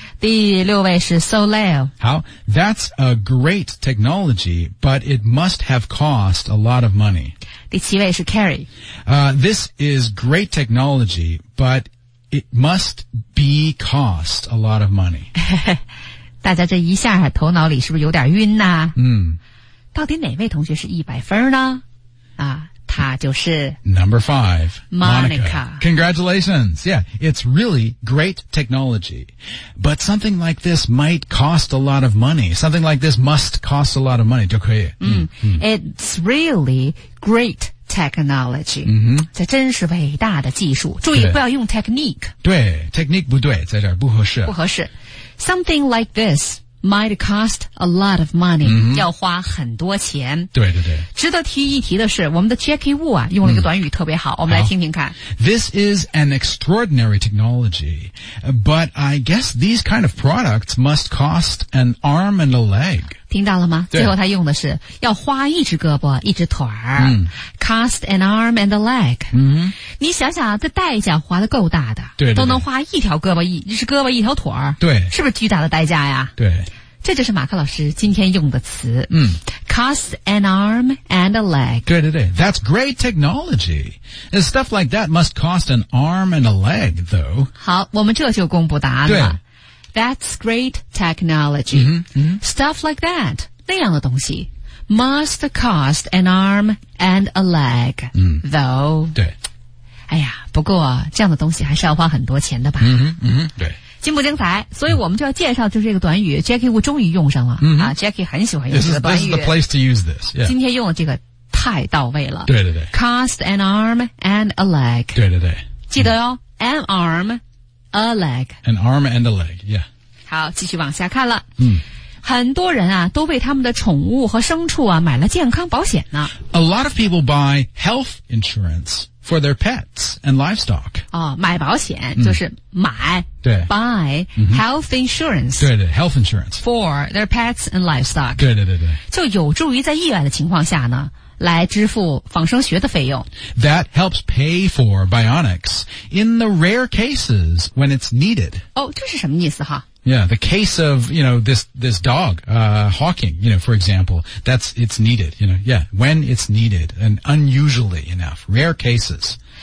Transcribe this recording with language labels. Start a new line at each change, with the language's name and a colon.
Chinese: 第六位是 Soleil.
English: How? That's a great technology, but it must have cost a lot of money.
Chinese: 第七位是 Carrie.
English: This is great technology, but it must be cost a lot of money.
Chinese: 大家这一下头脑里是不是有点晕呢？到底哪位同学是100分呢？他就是
English: Number 5 Monica. Congratulations. Yeah, it's really great technology. But something like this might cost a lot of money. Something like this must cost a lot of money.
Chinese: 就可以。
English: It's really great technology.
Chinese: 这真是伟大的技术。注意不要用 technique. 对 ,technique 不对在这儿不合适。不合适。
English: Something like this might cost a lot of money,
Chinese: 要花很多钱。对对对。值得提一提的是我们的 Jackie Wu 啊用了一个短语特别好我们来听听看。
English: This is an extraordinary technology, but I guess these kind of products must cost an arm and a leg.
Chinese: 听到了吗最后他用的是要花一只胳膊一只腿儿。
English: Cost an arm and a leg.
Chinese: 你想想这代价花得够大的。对, 对, 对。都能花一条胳膊一只胳膊一条腿儿。对。是不是巨大的代价呀对。这就是马克老师今天用的词。
English: Cost an arm and a leg. 对对对。That's great technology. Stuff like that must cost an arm and a leg, though.
Chinese: 好我们这就公布答案了。对。
English: That's great technology. Stuff like that,
Chinese: 那样的东西
English: must cost an arm and a leg, though.
Chinese: 对。哎呀不过这样的东西还是要花很多钱的吧。对。精不精彩所以我们就要介绍就是这个短语 Jackie Wu 终于用上了。 Jackie 很喜欢用这个短语。
English: This is the place to use this.、Yeah.
Chinese: 今天用的这个太到位了。对对对。
English: Cost an arm and a leg.
Chinese: 对对对。
English: 记得哟、an arm,A leg. An arm and a leg, yeah.
Chinese: 好继续往下看了。很多人啊都为他们的宠物和牲畜啊买了健康保险呢。
English: A lot of people buy health insurance for their pets and livestock.
Chinese: 哦买保险就是买。对。
English: Buy health insurance. 对对 ,health insurance. For their pets and livestock.
Chinese: 对对对对。就有助于在意外的情况下呢。来支付仿生学的费用。
English: That helps pay for bionics in the rare cases when it's needed.
Chinese: 哦这是什么意思哈
English: Yeah, the case of, you know, this dog, Hawking, you know, for example, it's needed, you know, yeah, when it's needed and unusually enough, rare cases.